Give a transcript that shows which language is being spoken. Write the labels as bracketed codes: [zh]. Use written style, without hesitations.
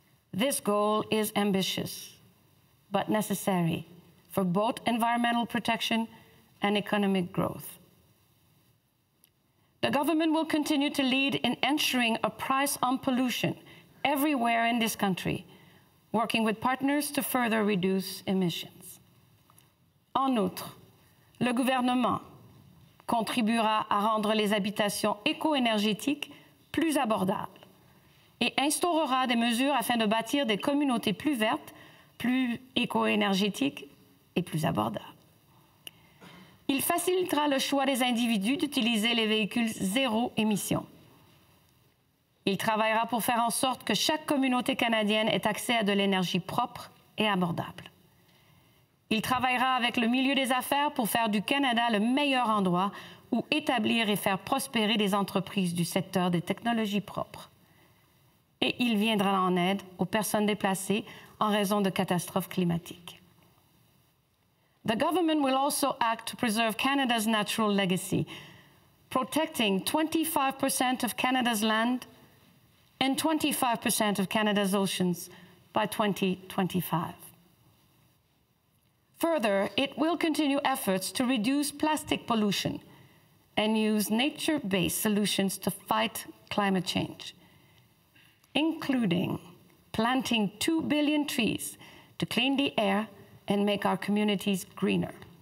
[en] This goal is ambitious, but necessary for both environmental protection and economic growth. The government will continue to lead in ensuring a price on pollution everywhere in this country, working with partners to further reduce emissions. [fr] En outre, le gouvernement contribuera à rendre les habitations éco-énergétiques plus abordables et instaurera des mesures afin de bâtir des communautés plus vertes, plus éco-énergétiques et plus abordables. Il facilitera le choix des individus d'utiliser les véhicules zéro émission. Il travaillera pour faire en sorte que chaque communauté canadienne ait accès à de l'énergie propre et abordable. Il travaillera avec le milieu des affaires pour faire du Canada le meilleur endroit où établir et faire prospérer des entreprises du secteur des technologies propres. Et il viendra en aide aux personnes déplacées en raison de catastrophes climatiques. [en] The government will also act to preserve Canada's natural legacy, protecting 25% of Canada's land and 25% of Canada's oceans by 2025. Further, it will continue efforts to reduce plastic pollution and use nature-based solutions to fight climate change, including planting 2 billion trees to clean the air and make our communities greener.